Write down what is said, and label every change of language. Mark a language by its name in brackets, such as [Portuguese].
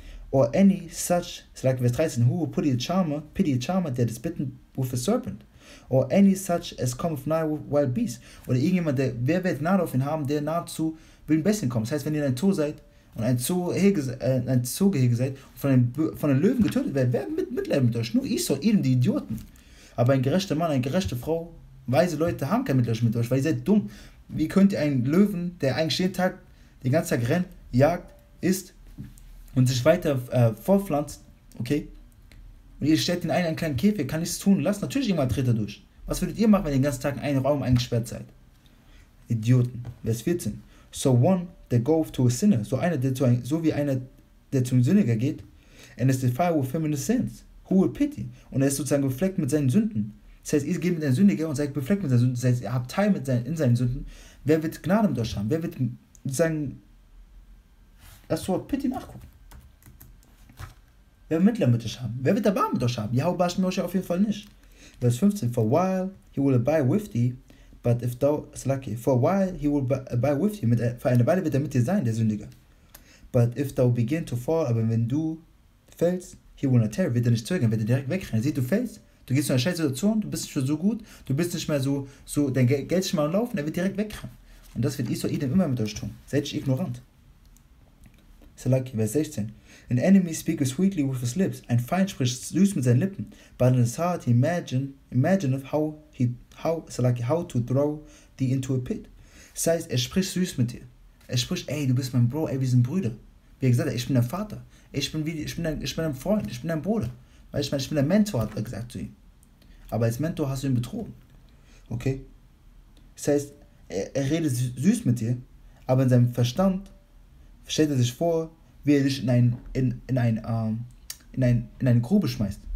[English] Or any such, like verse 13, who will pity a charmer that is bitten with a serpent? Or any such as cometh nigh with wild beasts? [German] Oder irgendjemand, der, wer wird nahe auf ihn haben, der nahe zu wilden Bestien kommt? Das heißt, wenn ihr in ein Zoo seid und ein Zoogehege seid und von einem Löwen getötet werdet, wer mit Mitleid mit euch? Nur Esau, eben die Idioten. Aber ein gerechter Mann, eine gerechte Frau, weise Leute haben kein Mitleid mit euch, weil ihr seid dumm. Wie könnt ihr einen Löwen, der eigentlich jeden Tag, den ganzen Tag rennt, jagt, isst, und sich weiter vorpflanzt, okay? Und ihr stellt den einen kleinen Käfig, kann nichts tun, lasst natürlich irgendwann tritt er durch. Was würdet ihr machen, wenn ihr den ganzen Tag in einem Raum eingesperrt seid? Idioten. Vers 14. [English] So one that goeth to a sinner, [German] so wie einer, der zum Sünder geht, [English] and is defiled with him in his sins. Who will pity? [German] Und er ist sozusagen befleckt mit seinen Sünden. Das heißt, ihr geht mit einem Sündiger und seid befleckt mit seinen Sünden. Das heißt, ihr habt Teil in seinen Sünden. Wer wird Gnade mit euch haben? Wer wird sozusagen das Wort pity nachgucken? Wer wird Mitleid mit euch haben? Wer wird Erbarmen mit euch haben? Yahweh Hashem Yosha auf jeden Fall nicht. Vers 15. [English] For a while he will abide with thee, but if thou slacky. For a while he will abide with thee. [German] Für eine Weile wird er mit dir sein, der Sündiger. [English] But if thou begin to fall, [German] aber wenn du fällst, [English] he will not tarry. [German] Wird er nicht zögern, wird er direkt wegrennen. Sieh, du fällst, du gehst in eine scheiß Situation, du bist nicht mehr so gut, du bist nicht mehr so dein Geld ist schon mal am Laufen, er wird direkt wegrennen. Und das wird Esau Edom immer mit euch tun. Seid ihr ignorant. Salaki, Vers 16. [English] An enemy speaketh sweetly with his lips. [German] Ein Feind spricht süß mit seinen Lippen. [English] But in his heart he imagineth how to throw thee into a pit. [German] Das heißt, er spricht süß mit dir. Er spricht, ey, du bist mein Bro, ey, wir sind Brüder. Wie er gesagt hat, ich bin dein Vater. Ich bin dein Freund, ich bin dein Bruder. Weil ich bin dein Mentor, hat er gesagt zu ihm. Aber als Mentor hast du ihn betrogen. Okay? Das heißt, er redet süß mit dir, aber in seinem Verstand stellt er sich vor, wie er dich in eine Grube schmeißt.